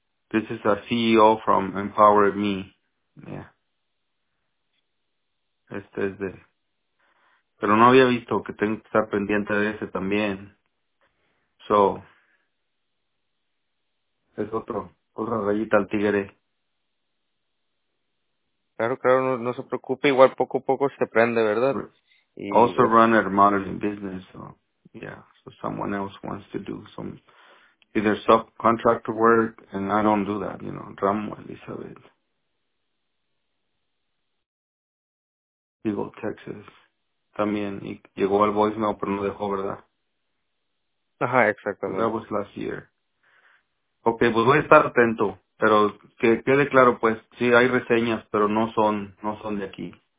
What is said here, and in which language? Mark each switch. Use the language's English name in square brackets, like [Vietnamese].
[English] This is a CEO from Empower Me. Yeah. [Spanish] Este es de... Pero no había visto que tengo que estar pendiente de ese también. [English] So... [Spanish] Es otra rayita al tigre. Claro, no se preocupe. Igual poco a poco se prende, ¿verdad? [English] Also run a modeling business, so yeah, so someone else wants to do some either subcontractor work, and I don't do that, you know, Ramo Elizabeth. [Spanish] Eagle, Texas, también, y llegó al voicemail, pero no dejó, ¿verdad? Ajá, exactamente. [English] That was last year. [Spanish] Okay, pues voy a estar atento, pero que quede claro, pues, sí, hay reseñas, pero no son de aquí.